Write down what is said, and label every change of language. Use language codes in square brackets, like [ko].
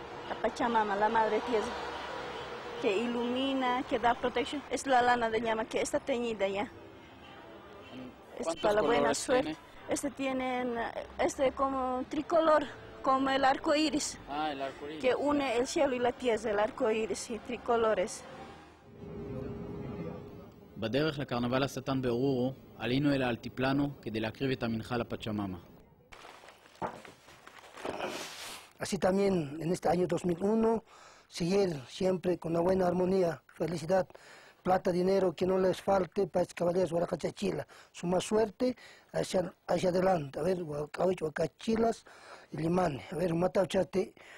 [es] La Pachamama, la madre tierra, que ilumina, que da protección. Es la lana de llama que está teñida ya. Es para la buena suerte. Tiene? Este tiene, este como tricolor. Como el arco iris, el arco iris, que une el cielo y la tierra, el arco iris y tricolores. [he] בדרך לקרנבל השטן באורורו, עלינו אל האלטיפלנו כדי להקריב את המנחה לפצ'ממה. [es] Así también en este año 2001, seguir siempre con la buena armonía, felicidad, plata, dinero, que no les falte para estos caballeros huaracachachila. Su más suerte hacia adelante. A ver, huaracachilas y limane. A ver, matachate,